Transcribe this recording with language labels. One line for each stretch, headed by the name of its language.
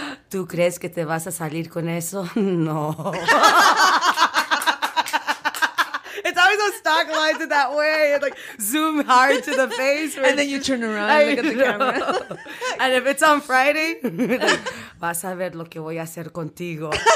Spanish: ¿Tú crees que te vas a salir con eso? No.
English: It's always those stock lines in that way. It's like, zoom hard to the face. And then you turn around and look at the camera. And if it's on Friday...
Spanish: Like, vas a ver lo que voy a hacer contigo.